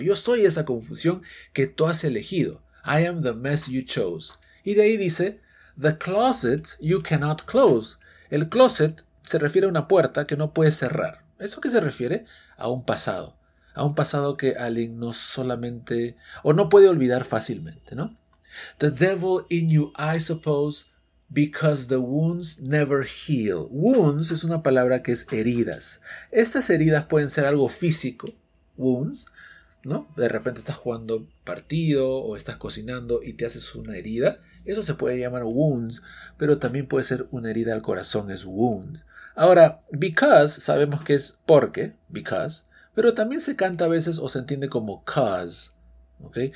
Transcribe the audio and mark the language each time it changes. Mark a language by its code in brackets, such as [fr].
[es] Yo soy esa confusión que tú has elegido. [en] I am the mess you chose. [es] Y de ahí dice, [en] the closet you cannot close. [es] El closet se refiere a una puerta que no puedes cerrar. ¿Eso qué se refiere? A un pasado. A un pasado que alguien no solamente, o no puede olvidar fácilmente, ¿no? [en] The devil in you, I suppose, because the wounds never heal. [es] Wounds es una palabra que es heridas. Estas heridas pueden ser algo físico, wounds, ¿no? De repente estás jugando partido o estás cocinando y te haces una herida. Eso se puede llamar wounds, pero también puede ser una herida al corazón, es wound. Ahora, because sabemos que es porque, because, pero también se canta a veces o se entiende como cause, ¿ok?